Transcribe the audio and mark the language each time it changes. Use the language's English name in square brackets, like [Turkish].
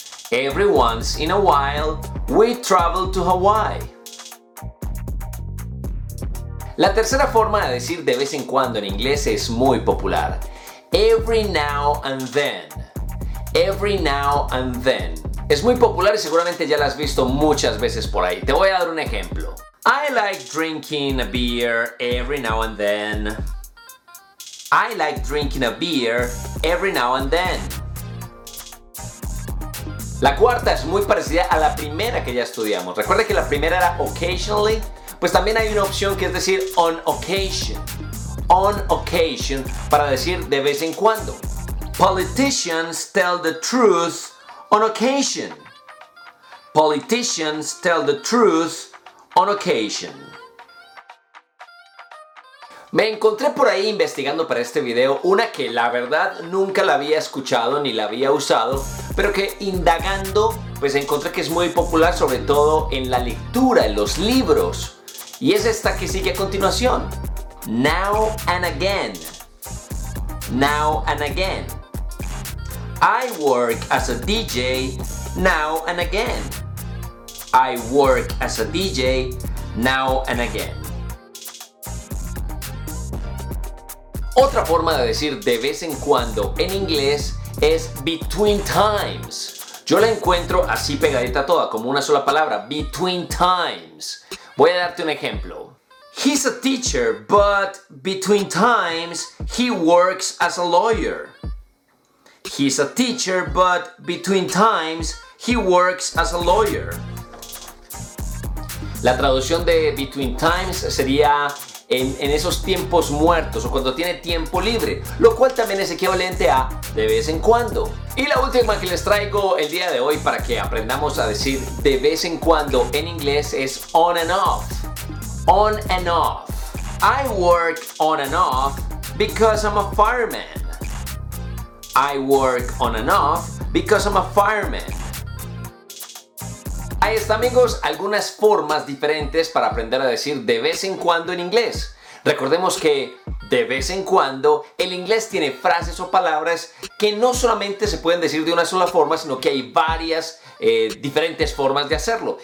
[English] Every once in a while, we travel to Hawaii. [Spanish] La tercera forma de decir de vez en cuando en inglés es muy popular. [English] Every now and then. Every now and then. [Spanish] Es muy popular y seguramente ya la has visto muchas veces por ahí. Te voy a dar un ejemplo. [English] I like drinking a beer every now and then. I like drinking a beer every now and then. [Spanish] La cuarta es muy parecida a la primera que ya estudiamos. Recuerda que la primera era occasionally. Pues también hay una opción que es decir [English] on occasion. On occasion [Spanish] para decir de vez en cuando. [English] Politicians tell the truth on occasion. Politicians tell the truth on occasion. [Spanish] Me encontré por ahí investigando para este video una que la verdad nunca la había escuchado ni la había usado, pero que indagando pues encontré que es muy popular sobre todo en la lectura, en los libros. Y es esta que sigue a continuación. [English] Now and again. Now and again. I work as a DJ now and again. I work as a DJ now and again. [Spanish] Otra forma de decir de vez en cuando en inglés es between times. Yo la encuentro así pegadita toda, como una sola palabra, between times. Voy a darte un ejemplo. [English] He's a teacher, but between times he works as a lawyer. He's a teacher, but between times he works as a lawyer. [Spanish] La traducción de between times sería en esos tiempos muertos o cuando tiene tiempo libre, lo cual también es equivalente a de vez en cuando. Y la última que les traigo el día de hoy para que aprendamos a decir de vez en cuando en inglés es on and off. [English] On and off. I work on and off because I'm a fireman. I work on and off because I'm a fireman. [Spanish] Ahí está, amigos, algunas formas diferentes para aprender a decir de vez en cuando en inglés. Recordemos que de vez en cuando el inglés tiene frases o palabras que no solamente se pueden decir de una sola forma, sino que hay varias diferentes formas de hacerlo.